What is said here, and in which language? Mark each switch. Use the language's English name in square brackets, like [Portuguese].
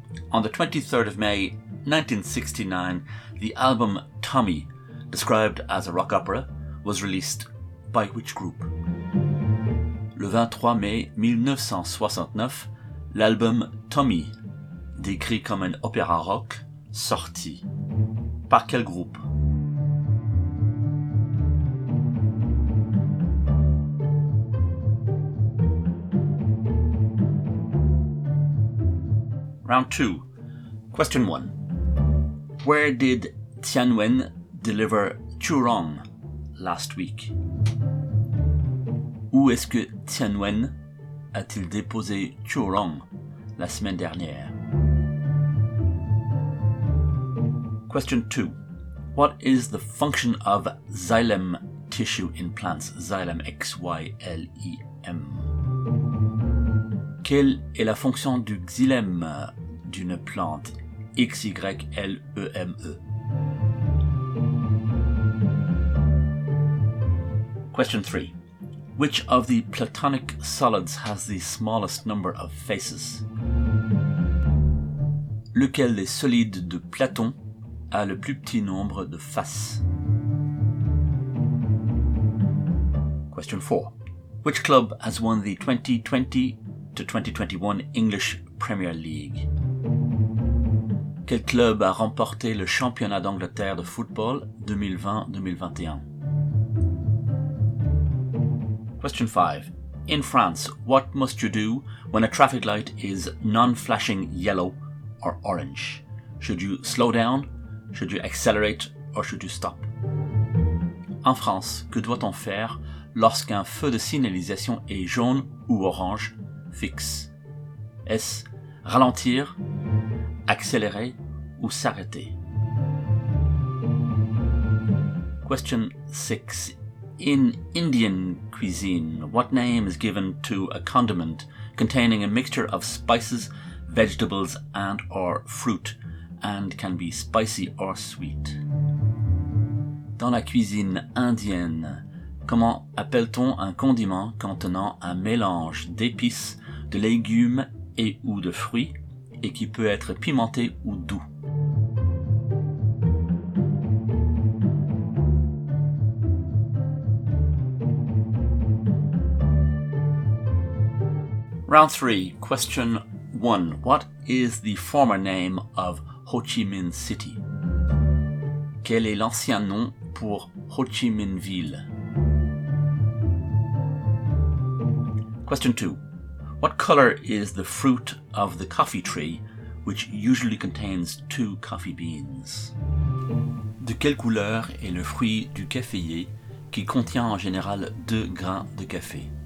[English] On the 23rd of May 1969, the album Tommy, described as a rock opera, was released by which group? [French] Le 23 mai 1969, l'album Tommy, décrit comme un opéra rock, sortit. Par quel groupe? [English] Round 2. Question 1. Where did Tianwen deliver Churong last week? [French] Où est-ce que Tianwen a-t-il déposé Churong la semaine dernière? [English] Question 2. What is the function of xylem tissue in plants? Xylem, X-Y-L-E-M. [French] Quelle est la fonction du xylème d'une plante? X-Y-L-E-M-E. [English] Question 3. Which of the platonic solids has the smallest number of faces? [French] Lequel des solides de Platon a le plus petit nombre de faces? [English] Question 4. Which club has won the 2020 to 2021 English Premier League? [French] Quel club a remporté le championnat d'Angleterre de football 2020-2021? [English] Question 5. In France, what must you do when a traffic light is non-flashing yellow or orange? Should you slow down? Should you accelerate or should you stop? [French] En France, que doit-on faire lorsqu'un feu de signalisation est jaune ou orange, fixe? Est-ce ralentir, accélérer ou s'arrêter? [English] Question 6. In Indian cuisine, what name is given to a condiment containing a mixture of spices, vegetables and or fruit and can be spicy or sweet? [French] Dans la cuisine indienne, comment appelle-t-on un condiment contenant un mélange d'épices, de légumes et ou de fruits et qui peut être pimenté ou doux? [English] Round 3, question 1. What is the former name of Ho Chi Minh City? [French] Quel est l'ancien nom pour Ho Chi Minh Ville? [English] Question 2. What color is the fruit of the coffee tree, which usually contains two coffee beans? [French] De quelle couleur est le fruit du caféier, qui contient en général deux grains de café?